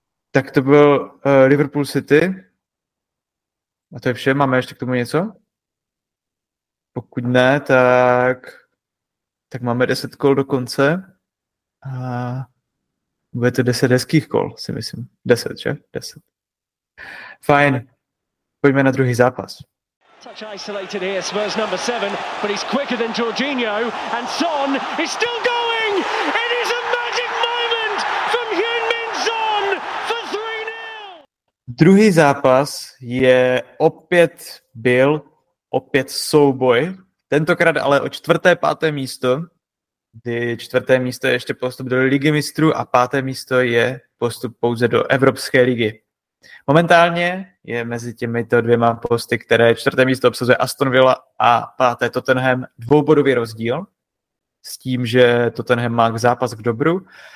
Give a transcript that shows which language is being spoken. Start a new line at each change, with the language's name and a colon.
Czech: Tak to byl Liverpool City. A to je vše, máme ještě k tomu něco? Pokud ne, tak máme 10 kol do konce. A bude to 10 hezkých kol, si myslím. 10, že? 10. Fajn. Pojďme na druhý zápas.
English: Touch isolated here, Spurs number 7, but he's quicker than Jorginho, and Son is still going! It is a magic moment from Heung-min Son for 3-0!
Czech: Druhý zápas je opět byl, opět souboj, tentokrát ale o čtvrté, páté místo, kdy čtvrté místo je ještě postup do Ligy mistrů a páté místo je postup pouze do Evropské ligy. Momentálně je mezi těmito dvěma posty, které čtvrté místo obsazuje Aston Villa a páté Tottenham, dvoubodový rozdíl s tím, že Tottenham má zápas k dobru.